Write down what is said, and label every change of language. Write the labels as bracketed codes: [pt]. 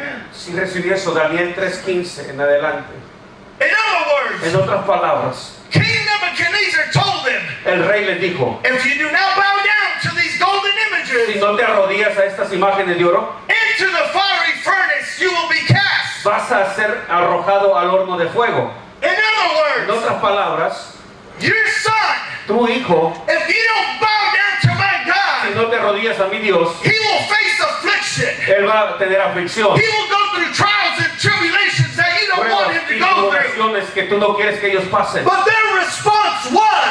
[es] Si recibí eso, Daniel 3:15 en adelante. [en] In other words, [es] en otras palabras, [en] King Nebuchadnezzar told them, [es] el rey les dijo, [en] if you do not bow down to these golden images, [es] si no te arrodillas a estas imágenes de oro, [en] into the fiery furnace you will be cast. [es] Vas a ser arrojado al horno de fuego. [en] In other words, [es] en otras palabras, [en] your son, [es] tu hijo, [en] if you don't bow down to my God, [es] si no te arrodillas a mi Dios, [en] he will face affliction. [es] Él va a tener aflicción. [en] He will go through trials and tribulations that you don't [es] pruebas [en] want him to go through. Tribulaciones [es] que tú no quieres que ellos pasen. [en] But their response was,